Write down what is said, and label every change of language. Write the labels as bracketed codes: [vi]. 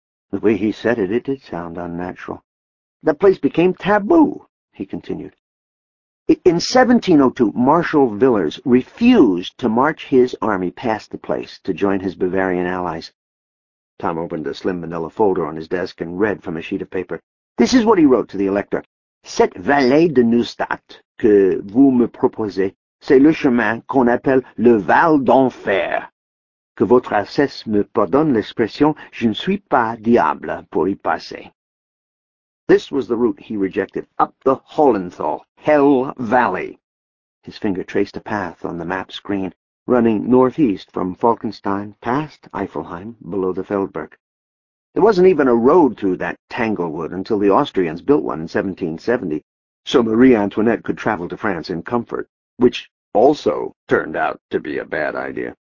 [en] The way he said it, it did sound unnatural. The place became taboo. He continued. In 1702, Marshal Villars refused to march his army past the place to join his Bavarian allies. Tom opened a slim manila folder on his desk and read from a sheet of paper. This is what he wrote to the elector. [fr] Cette vallée de Neustadt que vous me proposez, c'est le chemin qu'on appelle le Val d'Enfer. Que votre assesse me pardonne l'expression, je ne suis pas diable pour y passer. [en] This was the route he rejected, up the Hollenthal, Hell Valley. His finger traced a path on the map screen, running northeast from Falkenstein, past Eiffelheim, below the Feldberg. There wasn't even a road through that tanglewood until the Austrians built one in 1770, so Marie Antoinette could travel to France in comfort, which also turned out to be a bad idea.